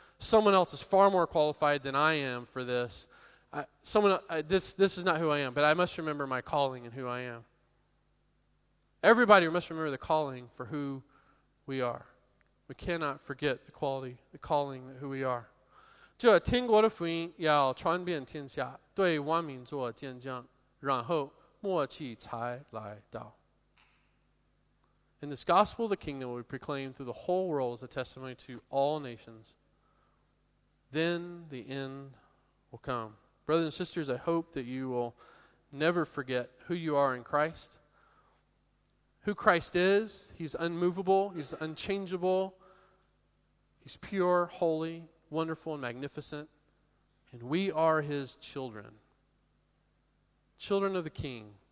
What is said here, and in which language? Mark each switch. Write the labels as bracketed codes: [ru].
[en] Someone else is far more qualified than I am for this. This is not who I am, but I must remember my calling and who I am. Everybody must remember the calling for who we are. We cannot forget the quality, the calling of who we are. [zh] 这听过的福音要传遍天下，对万民做见证，然后末期才来到。 [en] In this gospel, the kingdom will be proclaimed through the whole world as a testimony to all nations. Then the end will come. Brothers and sisters, I hope that you will never forget who you are in Christ. Who Christ is, He's unmovable, He's unchangeable, He's pure, holy, wonderful, and magnificent, and we are His children, children of the King.